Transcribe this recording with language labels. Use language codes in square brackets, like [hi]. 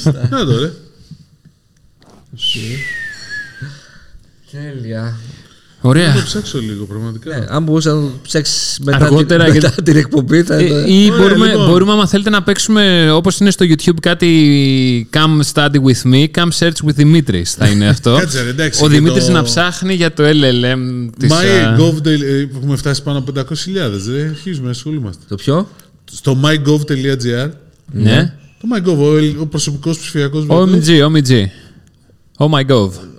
[el] Να το ρε. Τέλεια. Ωραία. Θα το ψάξω λίγο, πραγματικά. Αν μπορούσα να το ψάξει μετά και την εκπομπή, θα το. Μπορούμε, άμα θέλετε, να παίξουμε όπως είναι στο YouTube κάτι. [en] Come study with me, come search with Dimitris. [el] Θα είναι αυτό. Ο Δημήτρης να ψάχνει για το LLM τη. MyGov.gr. Έχουμε φτάσει πάνω από 500.000. Δεν αρχίζουμε, ασχολούμαστε. Το ποιο? Στο MyGov.gr. Ναι. Το MyGov, ο προσωπικός ψηφιακός. [en] OMG, OMG. Oh my God.